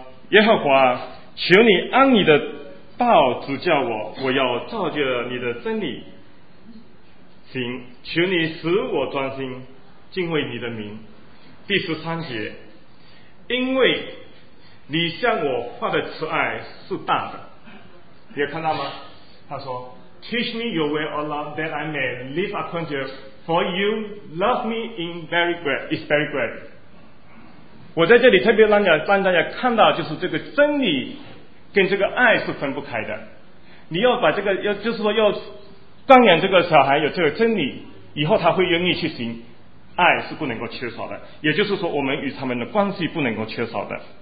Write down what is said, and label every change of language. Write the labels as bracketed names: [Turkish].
[Chinese] 耶和华，求你按你的道指教我，我要照着你的真理行，求你使我专心敬畏你的名。第13节，因为你向我发的慈爱是大的。你有看到吗？他说 [English] Teach me your way, O Lord, that I may live according to you, for you love me in very great, is very great。 [Chinese] 我在这里特别让大家看到，就是这个真理跟这个爱是分不开的。你要把这个，要就是说要锻炼这个小孩有这个真理，以后他会愿意去行，爱是不能够缺少的，也就是说我们与他们的关系不能够缺少的。